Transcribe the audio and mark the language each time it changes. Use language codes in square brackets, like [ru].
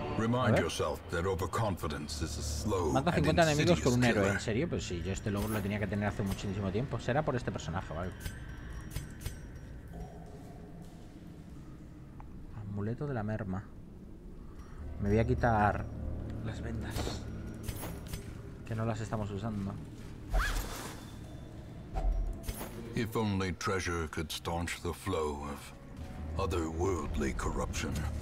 [en] Remind yourself that overconfidence is a slow. [es] Mata 50 enemigos con un héroe, ¿en serio? Pues sí, yo este logro lo tenía que tener hace muchísimo tiempo. Será por este personaje, ¿vale? Amuleto de la merma. Me voy a quitar las vendas. Que no las estamos usando. [en] If only treasure could staunch the flow of otherworldly corruption.